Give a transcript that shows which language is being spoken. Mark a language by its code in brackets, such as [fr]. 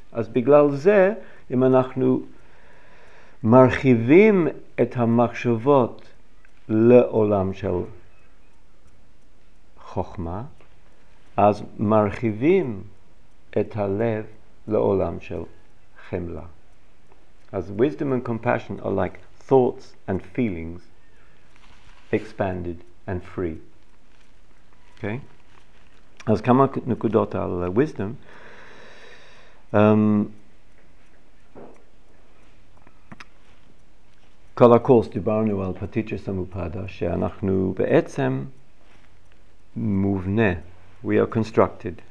[he] אז בגלל זה, אם אנחנו מרחיבים את המחשבות לעולם של חוכמה, אז מרחיבים את הלב לעולם של חמלה. [en] As wisdom and compassion are like thoughts and feelings expanded and free. Okay? [he] אז כמה נקודות על wisdom. כל הקורס דיברנו על פטיצ'ה סמופדה, שאנחנו בעצם מובנה. [en] We are constructed.